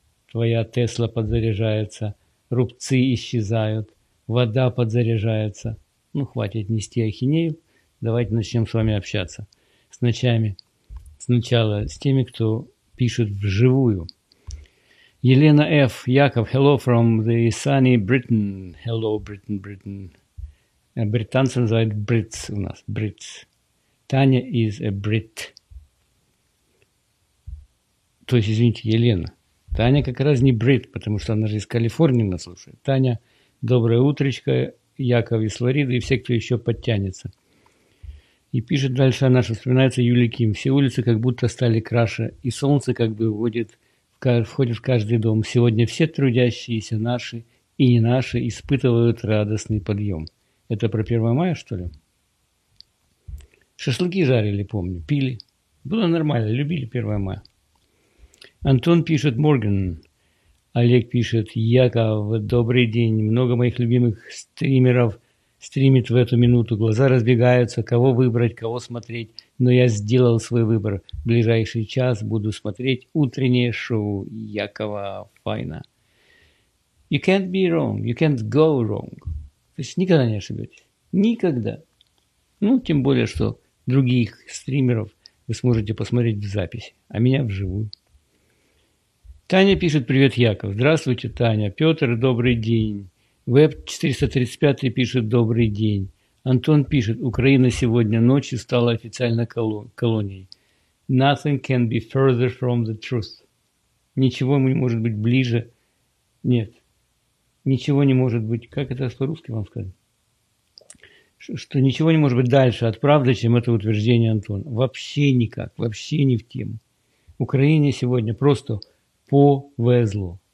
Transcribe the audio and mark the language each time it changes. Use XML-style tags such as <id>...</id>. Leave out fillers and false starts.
<ru>Твоя Тесла подзаряжается, рубцы исчезают, вода подзаряжается. Ну, хватит нести ахинею. Давайте начнем с вами общаться с ночами. Сначала с теми, кто пишет вживую. Елена Ф.</ru> <en>Яков, hello from the sunny Britain. Hello, Britain, Britain.</en> <ru>Британцы называют Brits у нас.</ru> <en>Brits. Таня is a Brit.</en> <ru>То есть, извините, Елена. Таня как раз не Brit, потому что она же из Калифорнии нас слушает. Таня, доброе утречко. Яков из Флориды и все, кто еще подтянется. И пишет дальше она, что вспоминается Юлия Ким. Все улицы как будто стали краше, и солнце как бы входит в каждый дом. Сегодня все трудящиеся, наши и не наши, испытывают радостный подъем. Это про 1 мая, что ли? Шашлыки жарили, помню, пили. Было нормально, любили 1 мая. Антон пишет Морган. Олег пишет Яков. Добрый день. Много моих любимых стримеров стримит в эту минуту, глаза разбегаются, кого выбрать, кого смотреть, но я сделал свой выбор. В ближайший час буду смотреть утреннее шоу Якова Файна.</ru> <en>You can't be wrong, you can't go wrong.</en> <ru>То есть никогда не ошибетесь. Никогда. Ну, тем более, что других стримеров вы сможете посмотреть в записи, а меня вживую. Таня пишет «Привет, Яков». Здравствуйте, Таня. Петр, добрый день. Веб-435 пишет «Добрый день». Антон пишет «Украина сегодня ночью стала официально колонией».</ru> <en>Nothing can be further from the truth.</en> <ru>Ничего не может быть ближе. Нет. Ничего не может быть... Как это по-русски вам сказать? Что ничего не может быть дальше от правды, чем это утверждение Антона. Вообще никак. Вообще не в тему. Украине сегодня просто повезло.</ru>